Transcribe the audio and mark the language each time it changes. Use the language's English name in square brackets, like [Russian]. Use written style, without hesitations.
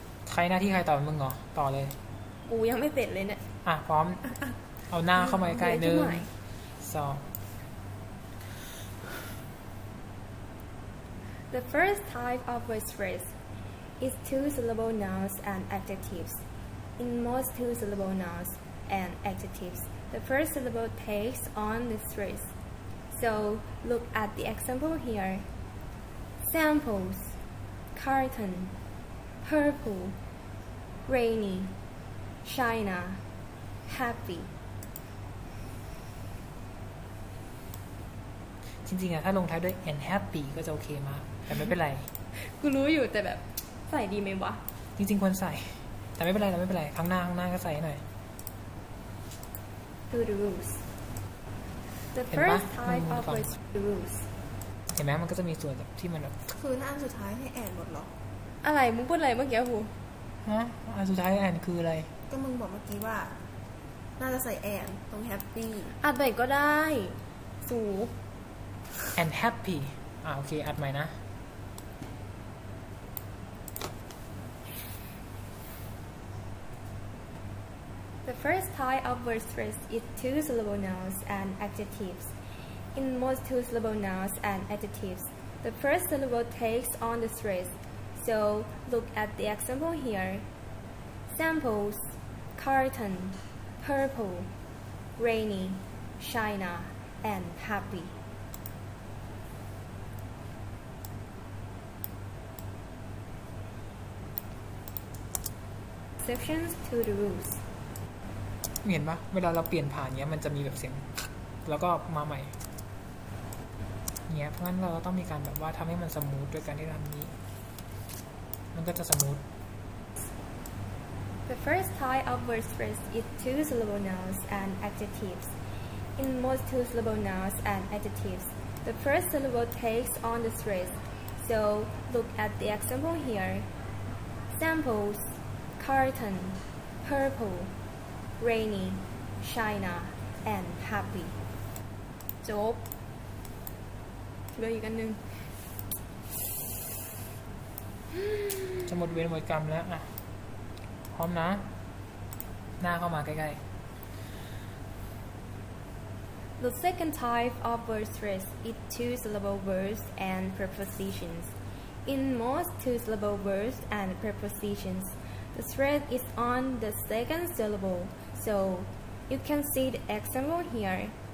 [Thai] ใครหน้าที่ใครต่อมึงเหรอต่อเลย กูยังไม่เสร็จเลยเนี่ย อ่ะพร้อมเอาหน้าเข้ามาใกล้ๆหนึ่งสอง [English] The first type of word stress is two-syllable nouns and adjectives. In most two-syllable nouns and adjectives,The first syllable takes on the stress. So look at the example here. Samples: carton, purple, rainy, China, happy. [Thai] จริงๆอะถ้าลงท้ายด้วย [English] and happy [Thai] ก็จะโอเคมากแต่ไม่เป็นไร กูรู้อยู่แต่แบบใส่ดีไหมวะ จริงๆควรใส่แต่ไม่เป็นไรไม่เป็นไรข้างหน้าก็ใส่หน่อย [English] to the rules the first type of words rules [Thai] เห็นไหมมันก็จะมีส่วนแบบที่มันแบบ คือหน้าอันสุดท้ายให้แอนหมดหรออ ะไรมึงพูดอะไรเมื่อกี้กู ฮะอันสุดท้ายแอนคืออะไร ก็มึงบอกเมื่อกี้ว่าน่าจะใส่แอนตรง happy อัดใหม่ก็ได้สู [English] And happy. [Thai] โอเคอัดใหม่นะ [English] The first type of word stress is two syllable nouns and adjectives. In most two syllable nouns and adjectives, the first syllable takes on the stress. So look at the example here. Samples: carton, purple, rainy, China, and happy. Exceptions to the rules. [Thai] เห็นปะเวลาเราเปลี่ยนผ่านเนี้ยมันจะมีแบบเสียงแล้วก็มาใหม่เนี้ยเพราะงั้นเราก็ต้องมีการแบบว่าทำให้มันสมูทด้วยการที่ทำนี้มันก็จะสมูท [English] The first type of word stress is two syllable nouns and adjectives. In most two syllable nouns and adjectives, the first syllable takes on the stress. So look at the example here. Samples. Carton, purple, rainy, China, and happy. [Thai] จบเหลืออีกอันหนึ่ง จะหมดเวรหมดกรรมแล้วอ่ะพร้อมนะหน้าเข้ามาใกล้ๆ [English] The second type of word stress is two syllable words and prepositions. In most two syllable words and prepositionsThe stress is on the second syllable, so you can see the example here.